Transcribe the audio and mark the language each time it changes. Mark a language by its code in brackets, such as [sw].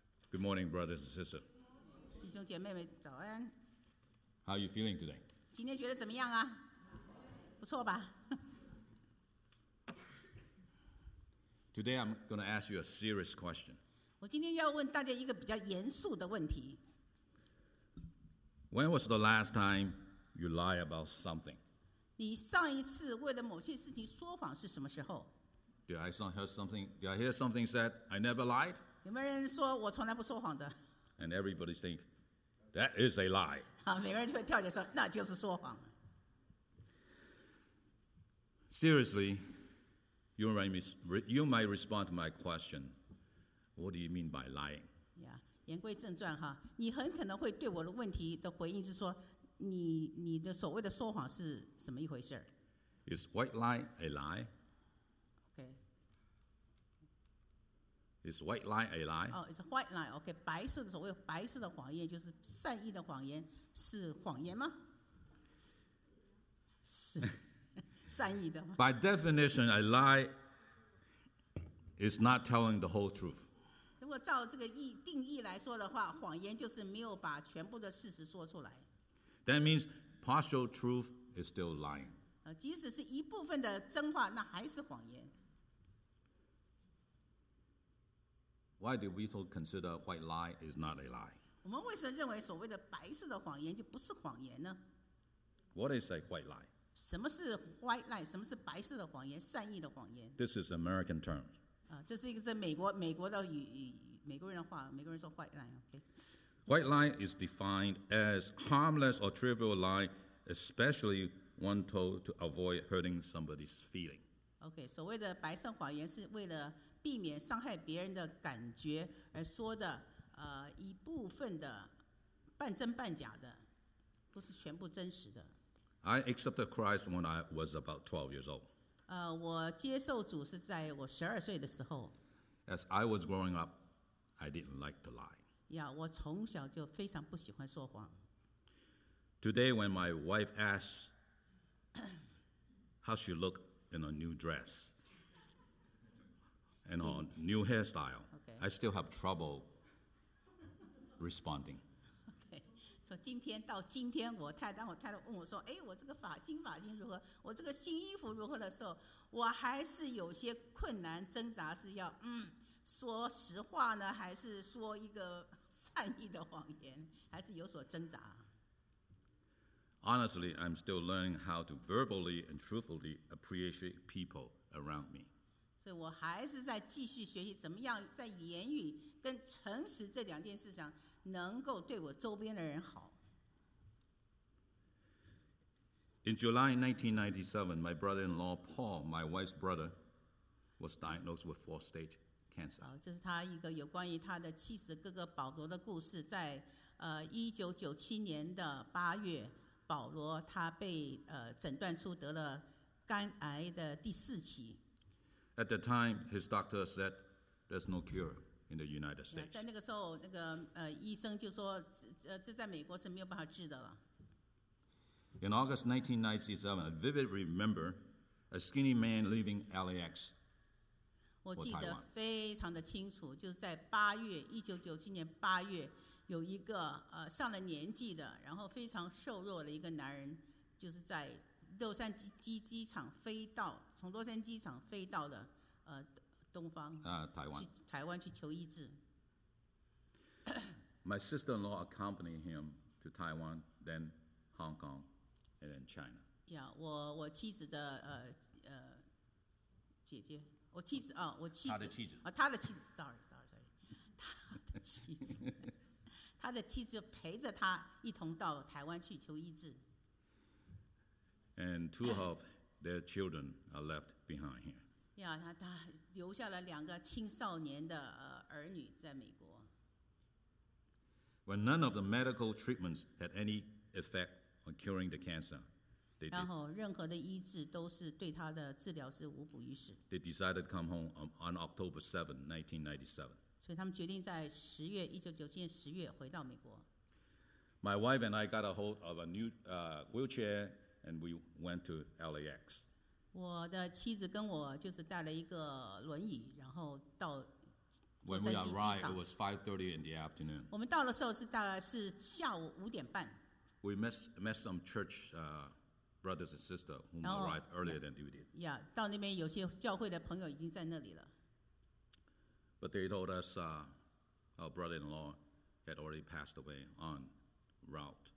[en] Good morning, brothers and sisters. [zh] 弟兄姐妹们，早安。 [en] How are you feeling today? [zh] 今天觉得怎么样啊？不错吧？ [en] Today I'm going to ask you a serious question. [zh] 我今天要问大家一个比较严肃的问题。 [en] When was the last time you lied about something? [zh] 你上一次为了某些事情说谎是什么时候？ [en] Did I hear something said, I never lied? [zh] 有没有人说我从来不说谎的？ [en] And everybody think, that is a lie. [zh] 每个人就会跳起来说，那就是说谎。 [en] Seriously,You might respond to my question. What do you mean by lying? Yeah. [zh] 言归正传哈，你很可能会对我的问题的回应是说，你的所谓的说谎是什么一回事？ [en] Is white lie a lie? Okay. Is white lie a lie? Oh, it's a white lie. Okay. [zh] 白色的所谓白色的谎言就是善意的谎言是谎言吗？是。善意的吗？ [en] By definition, a lie is not telling the whole truth. [zh] 如果照这个定义来说的话，谎言就是没有把全部的事实说出来。 [en] That means partial truth is still lying. [zh] 即使是一部分的真话，那还是谎言。 [en] Why do we consider white lie is not a lie? [zh] 我们为什么认为所谓的白色的谎言就不是谎言呢？ [en] What is a white lie? [zh] 什么是 white lie? 什么是白色的谎言？善意的谎言。 [en] This is American term. [zh] 这是一个在美国的美国人的话，美国人说 white lie. Okay. [en] White lie is defined as harmless or trivial lie, especially one told to avoid hurting somebody's feeling. [zh] Okay, 所谓的白色谎言是为了避免伤害别人的感觉而说的，一部分的半真半假的，不是全部真实的。 [en] I accepted Christ when I was about 12 years old. [zh] 我接受主是在我12岁的时候。 [en] As I was growing up, I didn't like to lie. [zh] Yeah, 我从小就非常不喜欢说谎。 [en] Today, when my wife asks how she looked in a new dress and on new hairstyle, okay. I still have trouble responding. [zh] So 今天到今天，我太当我太太问我说：“哎，我这个发型发型如何？我这个新衣服如何的时候，我还是有些困难挣扎，是要说实话呢，还是说一个善意的谎言，还是有所挣扎。” [en] Honestly, I'm still learning how to verbally and truthfully appreciate people around me. [zh] 所以我还是在继续学习怎么样在言语跟诚实这两件事上。能够对我周边的人好。 [en] In July 1997, my brother-in-law Paul, my wife's brother, was diagnosed with four-stage cancer. [zh] 这是他一个有关于他的妻子哥哥保罗的故事。在1997年的八月，保罗他被诊断出得了肝癌的第四期。 [en] At the time, his doctor said, "There's no cure." In the United States. [zh] 在那个时候，那个医生就说，这在美国是没有办法治的了。 [en] In August 1997, I vividly remember a skinny man leaving LAX. [zh] 我记得非常的清楚，就是在八月，1997年八月，有一个上了年纪的，然后非常瘦弱的一个男人，就是在洛杉矶机场飞到，从洛杉矶机场飞到的东方台湾去求医治。 [en] My sister-in-law accompanied him to Taiwan, then Hong Kong, and then China. [zh] Yeah, 我妻子的姐姐，我妻子啊，我妻子，他的妻子啊，他的妻子 ，sorry， 他的妻子，他的妻子就陪着他一同到台湾去求医治。 [en] And two of their children are left behind here. [zh] Yeah, 他留下了两个青少年的儿女在美国。 [en] When none of the medical treatments had any effect on curing the cancer, they did. [zh] 然后任何的医治都是对他的治疗是无补于事。 [en] They decided to come home on October 7, 1997. [zh] 所以他们决定在十月1997年十月回到美国。 [en] My wife and I got a hold of a new wheelchair and we went to LAX. [zh] 我的妻子跟我就是带了一个轮椅，然后到洛杉矶机场。 [en] When we arrived, it was 5:30 in the afternoon. [zh] 我们到的时候是大概是下午五点半。 [en] We met some church brothers and sisters who arrived earlier than we did. [zh] Yeah, 到那边有些教会的朋友已经在那里了。 [en] But they told us our brother-in-law had already passed away on route.